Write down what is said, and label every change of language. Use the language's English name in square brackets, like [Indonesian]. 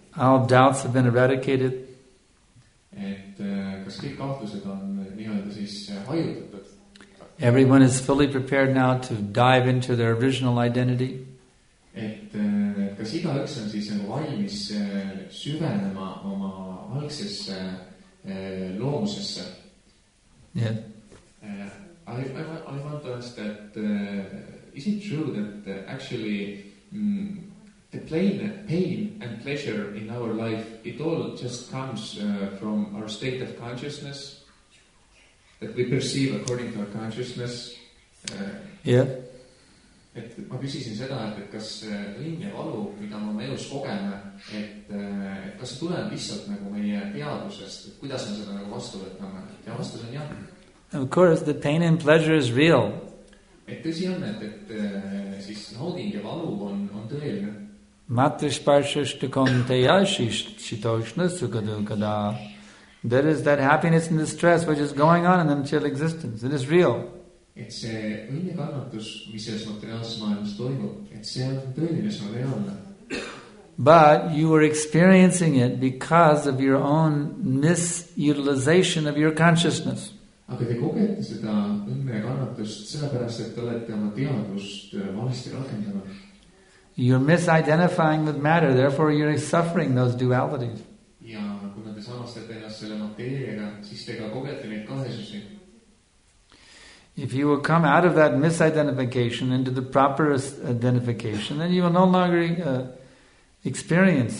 [English] All doubts have been eradicated. [Estonian] Kas kõik kahtlused on nii-öelda siis hajutatud? [English] Everyone is fully prepared now to dive into their original identity. [Estonian] Kas igaüks on siis valmis süvenema oma algsesse loomusesse? [English] Yeah. I want to ask that is it true that actually the pain and pleasure in our life, it all just comes from our state of consciousness that we perceive according to our consciousness? Yeah. [Estonian] Et ma küsisin seda, et kas rinne valu, mida ma oma elus kogeme, et kas see tuleb lihtsalt nagu meie teadusest, et kuidas me seda nagu vastu võtame? Ja vastus on jah. [English] Of course, the pain and pleasure is real. [Estonian] Et tõsi on, et siis nauding ja valu on tõeline. [Sanskrit] Matrishparshashtakam teyashish chitoshna sukadukada. [English] There is that happiness and distress which is going on in the material existence. It is real. [Estonian] Et see õnne kannatus, mis selles materiaalses maailmas toimub, et see on tõeline, see on reaalne. [English] But you are experiencing it because of your own misutilization of your consciousness. [Estonian] Aga te kogete seda õnne kannatust sellepärast, et te olete oma teadust valesti rakendanud. [English] You're misidentifying with matter, therefore you're suffering those dualities. [Estonian] Ja kuna te samastate ennast selle materiaga, siis te ka kogete neid kahesusi. [English] If you will come out of that misidentification into the proper identification, then you will no longer experience.